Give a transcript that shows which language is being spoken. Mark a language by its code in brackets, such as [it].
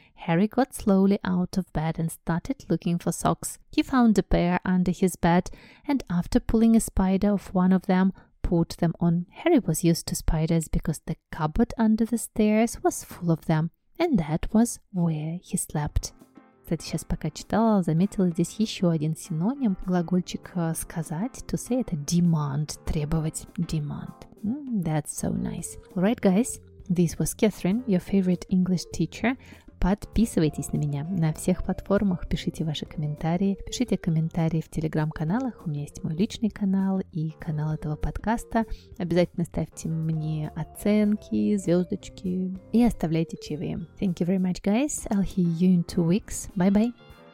[en] Harry got slowly out of bed and started looking for socks. He found a pair under his bed and after pulling a spider off one of them, put them on. Harry was used to spiders because the cupboard under the stairs was full of them. And that was where he slept. [ru] Кстати, сейчас пока читала, заметила здесь еще один синоним. Глагольчик сказать, [en] to say, [ru] это demand, требовать. [en] Demand. That's so nice. Alright, guys, this was Catherine, your favorite English teacher. [ru] Подписывайтесь на меня на всех платформах, пишите ваши комментарии. Пишите комментарии в телеграм-каналах, у меня есть мой личный канал и канал этого подкаста. Обязательно ставьте мне оценки, звездочки и оставляйте чаевые. [en] Thank you very much, guys. I'll hear you in 2 weeks. Bye-bye.